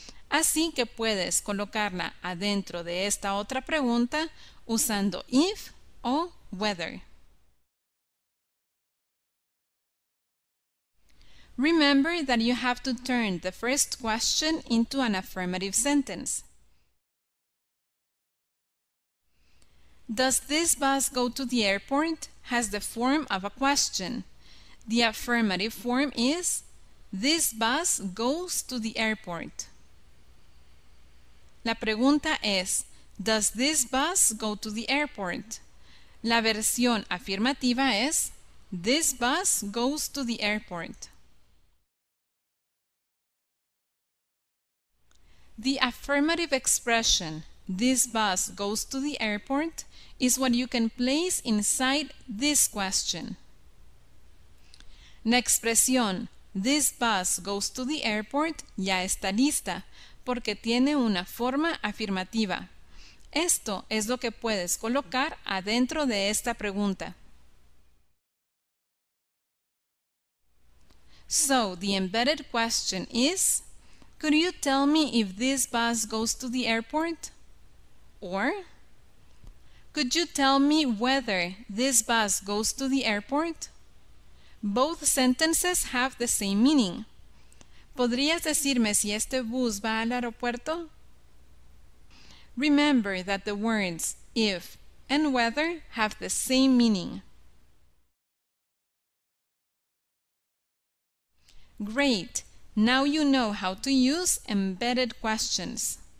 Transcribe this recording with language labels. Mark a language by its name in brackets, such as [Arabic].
[Spanish] Así que puedes colocarla adentro de esta otra pregunta usando if o whether. [English] Remember that you have to turn the first question into an affirmative sentence. Does this bus go to the airport? Has the form of a question. The affirmative form is, this bus goes to the airport. [Spanish] La pregunta es, [English] does this bus go to the airport? [Spanish] La versión afirmativa es, [English] this bus goes to the airport. The affirmative expression, this bus goes to the airport, is what you can place inside this question. [Spanish] La expresión, [English] this bus goes to the airport, [Spanish] ya está lista. Porque tiene una forma afirmativa. Esto es lo que puedes colocar adentro de esta pregunta. [English] So, the embedded question is, could you tell me if this bus goes to the airport? Or, could you tell me whether this bus goes to the airport? Both sentences have the same meaning. [Spanish] ¿Podrías decirme si este bus va al aeropuerto? [English] Remember that the words if and whether have the same meaning. Great! Now you know how to use embedded questions.